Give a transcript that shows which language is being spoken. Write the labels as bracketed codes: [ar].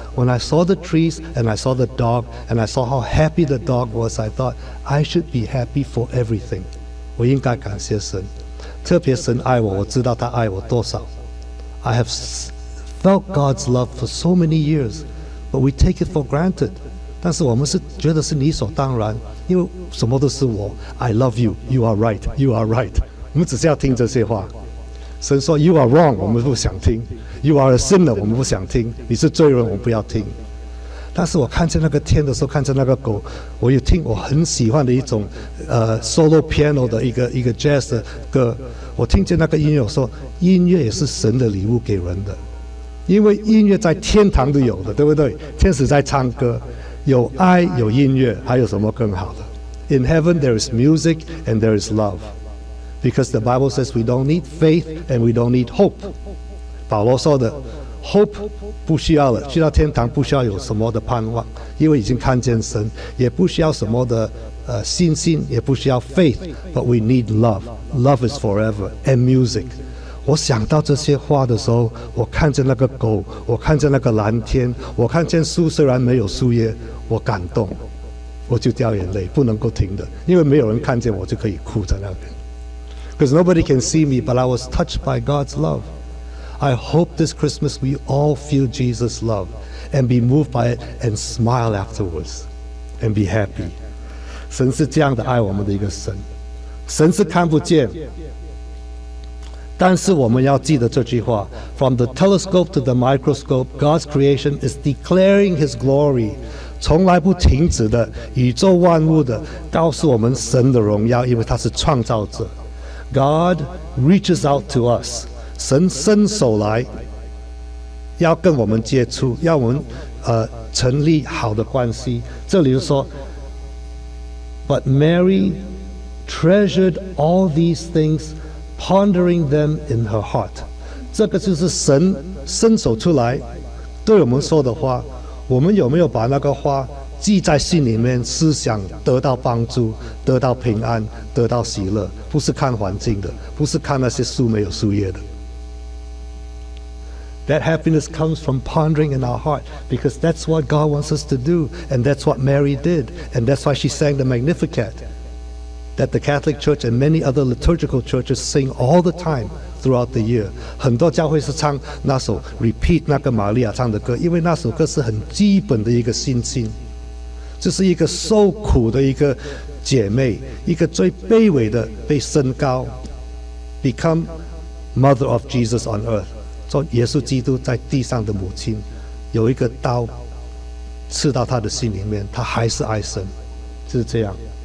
[en] When I saw the trees and I saw the dog and I saw how happy the dog was, I thought I should be happy for everything. [zh] 我应该感谢神，特别神爱我，我知道他爱我多少。 [en] I have felt God's love for so many years, but we take it for granted. [zh] 但是我们是觉得是理所当然，因为什么都是我。 [en] I love you. You are right. You are right. [zh] 我们只是要听这些话。神说 [en] You are wrong， [zh] 我们不想听。 [en] You are a sinner， [zh] 我们不想听。你是罪人，我们不要听。但是我看见那个天的时候，看见那个狗，我有听我很喜欢的一种solo piano 的一个 jazz 的歌。我听见那个音乐，我说音乐也是神的礼物给人的，因为音乐在天堂都有的，对不对？天使在唱歌，有爱有音乐，还有什么更好的 ？ [en] In heaven there is music and there is love。 Because the Bible says we don't need faith and we don't need hope. [zh] 保罗说的 ，hope 不需要了，去到天堂不需要有什么的盼望，因为已经看见神，也不需要什么的信心，也不需要 faith. [en] But we need love. Love is forever and music. [zh] 我想到这些话的时候，我看见那个狗，我看见那个蓝天，我看见树虽然没有树叶，我感动，我就掉眼泪，不能够停的，因为没有人看见我就可以哭在那边。 [en] Because nobody can see me, but I was touched by God's love. I hope this Christmas we all feel Jesus' love and be moved by it and smile afterwards and be happy. [zh] 神是这样的爱我们的一个神。神是看不见，但是我们要记得这句话。 [en] From the telescope to the microscope, God's creation is declaring His glory. [zh] 从来不停止的，宇宙万物的，告诉我们神的荣耀，因为他是创造者。 [en] God reaches out to us. [zh] 神伸手来要跟我们接触，要我们成立好的关系。这里就说 [en] But Mary treasured all these things, pondering them in her heart. [zh] 这个就是神伸手出来对我们说的话。我们有没有把那个话记在心里面，思想得到帮助，得到平安，得到喜乐？不是看环境的，不是看那些树没有树叶的。 [en] That happiness comes from pondering in our heart, because that's what God wants us to do, and that's what Mary did, and that's why she sang the Magnificat that the Catholic Church and many other liturgical churches sing all the time throughout the year. [zh] 很多教会是唱那首 Repeat 那个玛利亚唱的歌，因为那首歌是很基本的一个信心。这是一个受苦的一个姐妹，一个最卑微的被升高 ， [en] become mother of Jesus on earth， [zh] 做耶稣基督在地上的母亲，有一个刀刺到她的心里面，她还是爱神，就是这样。